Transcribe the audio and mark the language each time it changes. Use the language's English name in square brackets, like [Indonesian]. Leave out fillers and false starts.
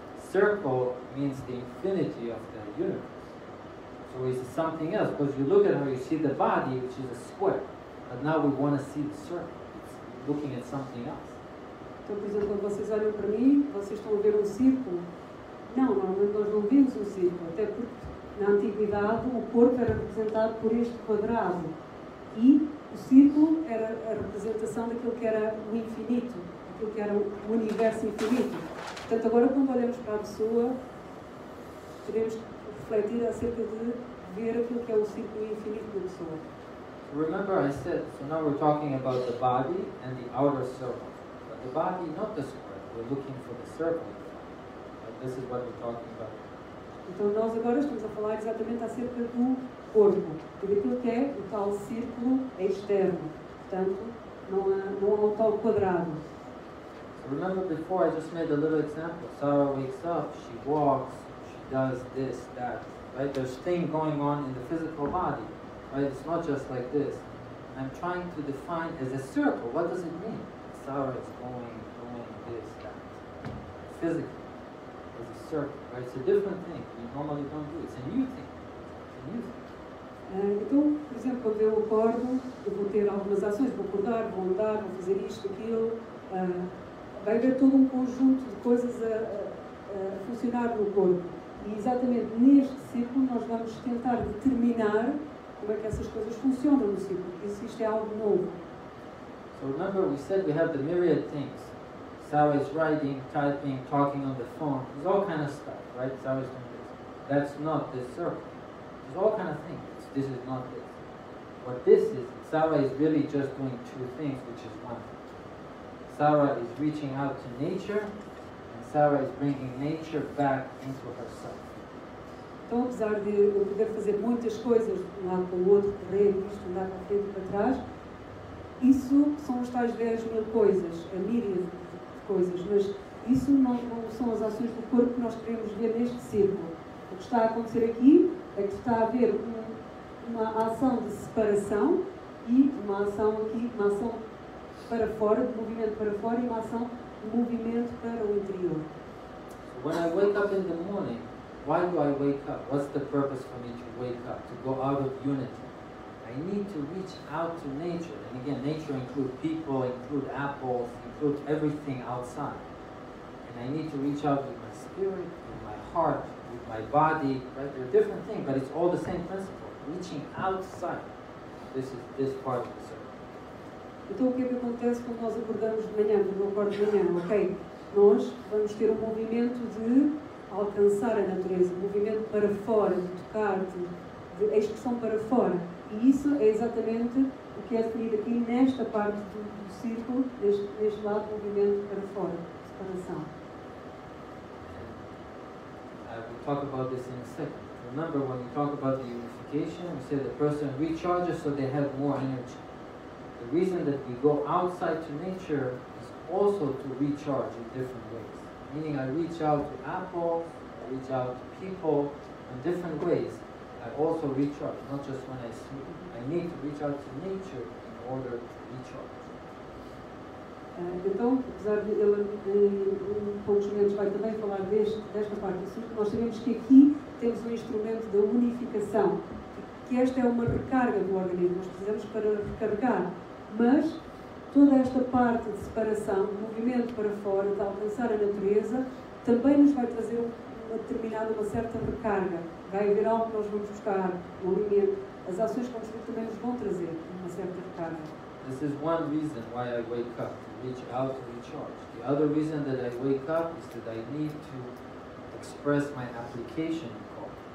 [English] Circle means the infinity of the universe. So it's something else, because you look at how you see the body, which is a square. But now we want to see the circle. It's looking at something else. [Portuguese] Então, por exemplo, vocês olham para mim, vocês estão a ver um círculo. Não, normalmente nós não vimos um círculo, até porque na antiguidade o corpo era representado por este quadrado e o círculo era a representação daquilo que era o infinito, aquilo que era o universo infinito. Portanto, agora quando olhamos para a pessoa, teremos que refletir acerca de ver aquilo que é o círculo infinito da pessoa. [English] Remember I said, so now we're talking about the body and the outer circle. But the body, not the square, we're looking for the circle. This is what we're talking about. [Portuguese] Então nós agora estamos a falar exatamente acerca do corpo, daquilo que é o tal círculo externo. Portanto, não há o tal quadrado. [English] So remember before I just made a little example. Sarah wakes up, she walks, she does this, that. Right? There's things going on in the physical body. Right? It's not just like this. I'm trying to define as a circle. What does it mean? Sarah is going this, that. Physically. Circle, right? It's a different thing. We normally don't do it. It's a new thing. [Portuguese] Então, por exemplo, quando eu acordo, eu vou ter algumas ações, vou acordar, vou andar, vou fazer isto, aquilo. Vai haver todo um conjunto de coisas a funcionar no corpo. E exatamente neste círculo nós vamos tentar determinar como é que essas coisas funcionam no círculo. Isso, isto é algo novo. [English] So remember, we said we have the myriad things. Sarah is writing, typing, talking on the phone. There's all kind of stuff, right? Sarah is doing this. That's not this circle. There's all kind of things. This is not this. What this is, Sarah is really just doing two things, which is one. Sarah is reaching out to nature, and Sarah is bringing nature back into herself. [Portuguese] Então, apesar de eu poder fazer muitas coisas de um lado para o outro, correr, isto, andar para frente e para trás, isso são as tais 10 mil coisas, a myriad coisas, mas isso não são as ações do corpo que nós queremos ver neste círculo. O que está a acontecer aqui é que está a haver uma ação de separação e uma ação aqui, uma ação para fora, de movimento para fora e uma ação de movimento para o interior. [English] So when I wake up in the morning, why do I wake up? What's the purpose for me to wake up? To go out of unity? I need to reach out to nature. And again, nature include people, include apples, put everything outside, and I need to reach out with my spirit, with my heart, with my body, right? They're different things, but it's all the same principle, reaching outside. This is this part of the circle. [Portuguese] Então, o que é que acontece quando nós acordamos de manhã, quando eu acordo de manhã, ok? Nós vamos ter um movimento de alcançar a natureza, um movimento para fora, de tocar, de expressão para fora, E isso é exatamente o que é definido aqui nesta parte do, do círculo, neste lado do movimento para fora, separação. [English] We'll talk about this in a second. Remember, when we talk about the unification, we say the person recharges so they have more energy. The reason that we go outside to nature is also to recharge in different ways. Meaning I reach out to Apple, I reach out to people in different ways. I also recharge, not just when I sleep. I need to reach out to nature in order to recharge. [Portuguese] Então, apesar de ele, em poucos momentos, vai também falar desta parte do círculo, nós sabemos que aqui temos um instrumento da unificação, que esta é uma recarga do organismo, nós precisamos para recarregar, mas toda esta parte de separação, de movimento para fora, de alcançar a natureza, também nos vai trazer uma determinada, uma certa recarga. Vai haver algo que nós vamos buscar, o alimento, as ações que vamos fazer também nos vão trazer uma certa recarga. [English] This is one reason why I wake up, to reach out to recharge. The other reason that I wake up is that I need to express my application in God.